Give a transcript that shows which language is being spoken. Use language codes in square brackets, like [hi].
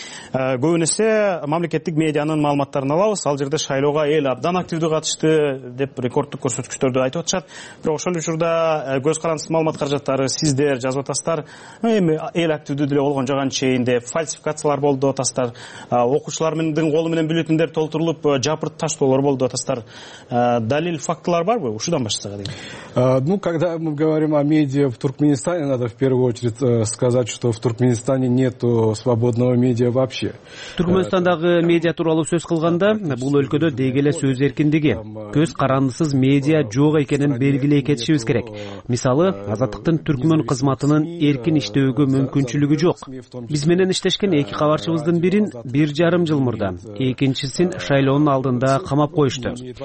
[ky] Көбүнесе мамлекеттик медианын маалыматтарын алабыз, ал жерде шайлоого эл абдан активдүү катышты деп рекордтук көрсөткүчтөрдү айтып атышат. Бирок ошол эле учурда көз карандысыз маалымат каражаттары сиздер жазып атасыздар, эми эл активдүү деле болгон жок анчейин деп фальсификациялар болду деп атасыздар, окуучулардын колу менен бюллетендер толтурулуп жапырып таштоолор болду деп атасыздар. Далил фактылар барбы ушудан башка деген? [ru] Ну когда мы говорим о медиа в Туркменистане, надо в первую очередь сказать, что в Туркменистане нету свободного медиа. [ky] Түркмөнстандагы медиа тууралуу сөз кылганда, бул өлкөдө деги эле сөз эркиндиги, көз карандысыз медиа жок экенин белгилей кетишибиз керек. Мисалы, Азаттыктын түркмөн кызматынын эркин иштөөгө мүмкүнчүлүгү жок. Биз менен иштешкен эки кабарчыбыздын бирин 1.5 жыл мурда, экинчисин шайлоонун алдында камап коюшту.